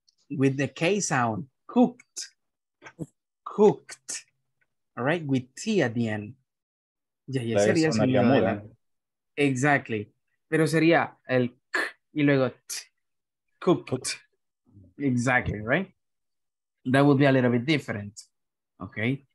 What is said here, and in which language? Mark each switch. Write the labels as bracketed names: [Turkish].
[English] With the K sound, cooked, cooked, all right, with T at the end. [Spanish] Yeah, yeah, sería sonaría muy bien. [English] Exactly, [Spanish] pero sería el K y luego T, cooked. [English] Cooked. Exactly, right? That would be a little bit different, okay?